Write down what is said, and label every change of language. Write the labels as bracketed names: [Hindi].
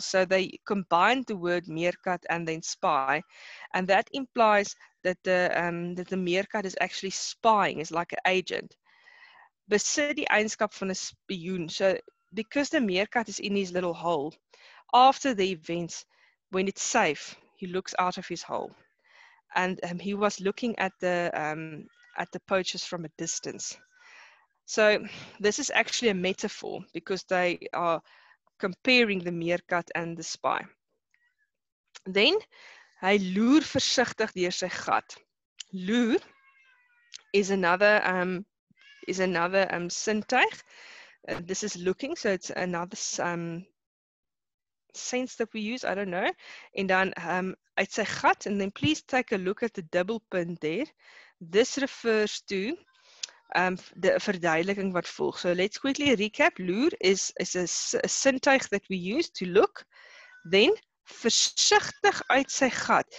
[English] So they combined the word meerkat and then spy, and that implies that the meerkat is actually spying, is like an agent. [Afrikaans] Besit die eienskap van 'n spioen. [English] So because the meerkat is in his little hole, after the events, when it's safe, he looks out of his hole, and he was looking at the poachers from a distance. So this is actually a metaphor because they are comparing the meerkat and the spy. [Afrikaans] Then, hy loer versigtig deur sy gat. [English] Loer is another sintuig. This is looking, so it's another sense that we use. I don't know. And then [Afrikaans] uit sy gat, [English] and then please take a look at the double punt there. This refers to the [Afrikaans] verduideliking wat volg. [English] So let's quickly recap. Loer is a sintuig that we use to look. [Afrikaans] Then versigtig uit sy gat.